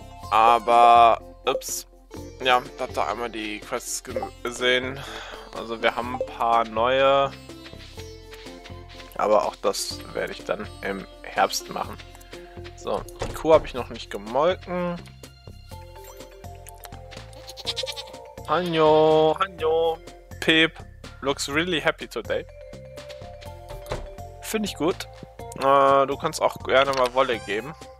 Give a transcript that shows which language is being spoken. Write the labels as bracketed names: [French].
[German] Aber, ups. Ja, ich habe da einmal die Quests gesehen. Also wir haben ein paar neue. Aber auch das werde ich dann im Herbst machen. So, die Kuh habe ich noch nicht gemolken. Hanjo, Hanjo. [English] Peep looks really happy today. [German] Finde ich gut. Du kannst auch gerne mal Wolle geben.